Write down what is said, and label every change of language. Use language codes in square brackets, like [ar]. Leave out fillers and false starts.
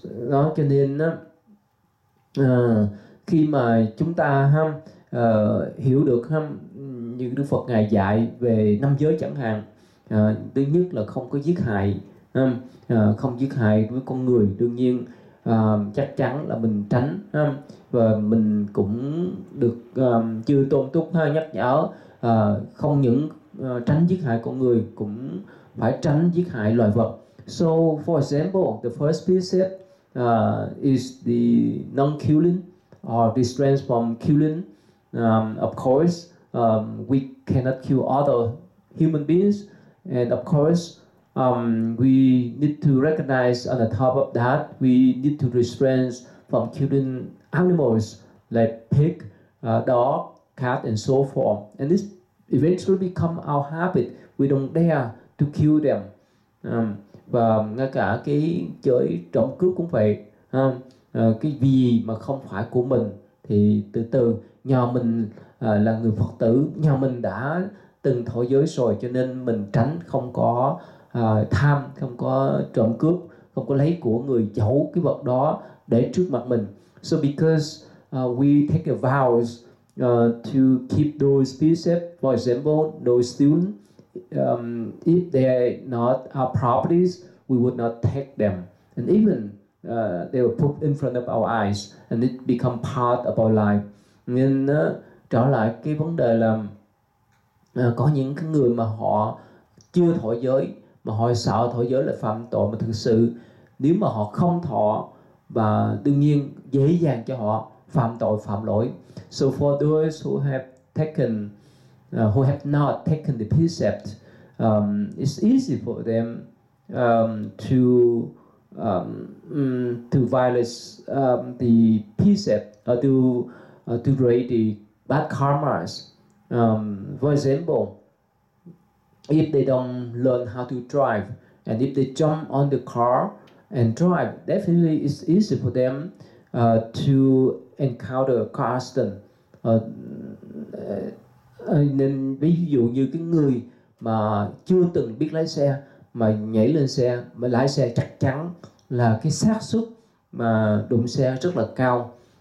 [vi] Đó, cho nên khi mà chúng ta hiểu được như Đức Phật Ngài dạy về năm giới chẳng hạn, thứ nhất là không có giết hại, không giết hại với con người, đương nhiên chắc chắn là mình tránh, và mình cũng được chư tôn túc nhắc nhở không những tránh giết hại con người cũng phải tránh giết hại loài vật. [en] So for example, the first precept is the non-killing or restraint from killing. Of course, we cannot kill other human beings, and of course we need to recognize on the top of that, we need to restrain from killing animals like pig, dog, cat, and so forth. And this eventually become our habit. We don't dare to kill them. [vi] Và ngay cả cái chơi trộm cướp cũng vậy. Cái gì mà không phải của mình thì từ từ, nhờ mình là người Phật tử, nhờ mình đã từng thọ giới rồi, cho nên mình tránh không có tham, không có trộm cướp, không có lấy của người, giấu cái vật đó để trước mặt mình. [en] So because we take a vows to keep those precepts. For example, those students, if they are not our properties, we would not take them. And even they were put in front of our eyes, and it become part of our life. [vi] Nên trở lại cái vấn đề là có những cái người mà họ chưa thọ giới, mà họ sợ thọ giới là phạm tội, mà thực sự nếu mà họ không thọ và đương nhiên dễ dàng cho họ phạm tội phạm lỗi. [en] So for those who have taken, who have not taken the precept, it's easy for them to violate the precept or to create the bad karmas. For example, if they don't learn how to drive, and if they jump on the car and drive, definitely it's easy for them to encounter a car accident. [vi] Nên ví dụ như cái người mà chưa từng biết lái xe mà nhảy lên xe mà lái xe, chắc chắn là cái xác suất mà đụng xe rất là cao.